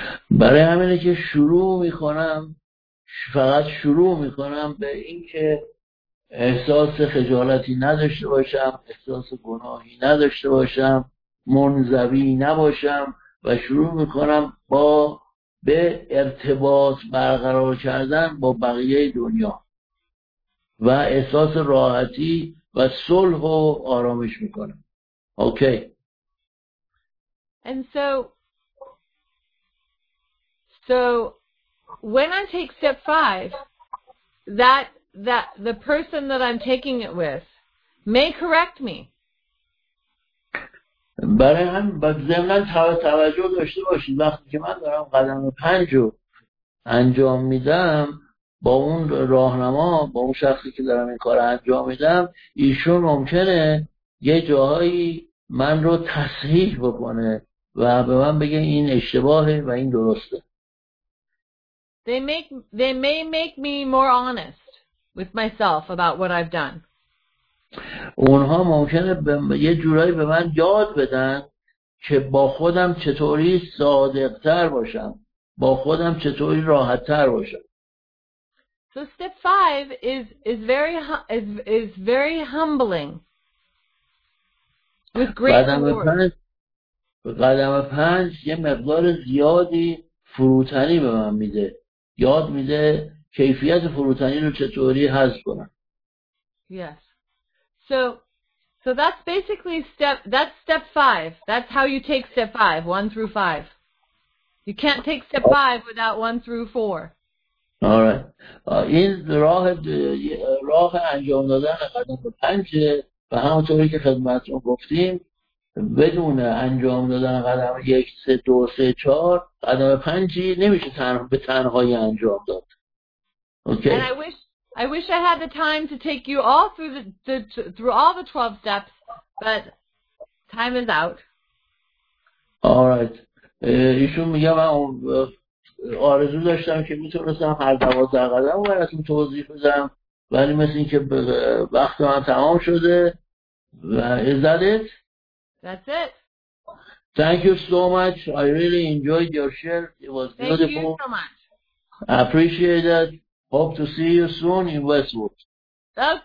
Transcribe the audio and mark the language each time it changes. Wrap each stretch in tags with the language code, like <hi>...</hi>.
<fa>برای همینه که شروع میکنم، فقط شروع میکنم به این که احساس خجالتی نداشته باشم، احساس گناهی نداشته باشم، منزوی نباشم و شروع میکنم به ارتباط برقرار کردن با بقیه دنیا و احساس راحتی و صلح و آرامش میکنم.</fa> <en>Okay. And so when I take step 5, that the person that I'm taking it with may correct me.</en> <fa>برای هم ضمناً توجه داشته باشید، وقتی که من دارم قدم 5 رو انجام میدم با اون راهنما، با اون شخصی که دارم این کار انجام میدم، ایشون ممکنه یه جاهایی من رو تصحیح بکنه و به من بگه این اشتباهه و این درسته.</fa> <en>They may make me more honest with myself about what I've done.</en> <fa>اونها ممکنه یه جورایی به من یاد بدن که با خودم چطوری صادق‌تر باشم، با خودم چطوری راحت‌تر باشم.</fa> <en>So step 5 is very humbling. With great reward.</en> <fa>قدم 5 یه مقدار زیادی فروتنی به من میده، یاد میده کیفیت فروتنی رو چطوری حذف کنم.</fa> <en>Yes. So that's basically step 5. That's how you take step 5, 1 through 5. You can't take step 5 without 1 through 4. All right.</en> <fa>این راه انجام دادن قدم 5 به همونطوری که خدمتتون گفتیم، بدون انجام دادن قدم 1, 2, 3, 4 قدم 5 نمیشه به تنهایی انجام داد.</fa> <en>Okay. And I wish I had the time to take you all through all the 12 steps, but time is out. All right.</en> <fa>ایشون میگه من آرزو داشتم که میتونستم هر 12 قدم رو براتون توضیح بدم، ولی مثل اینکه وقت من تمام شده.</fa> <en>Is that it? That's it. Thank you so much. I really enjoyed your share. It was Thank beautiful. Thank you so much. I appreciate that. Hope to see you soon in Westwood. Okay, yes. Take care so much. Okay,</en>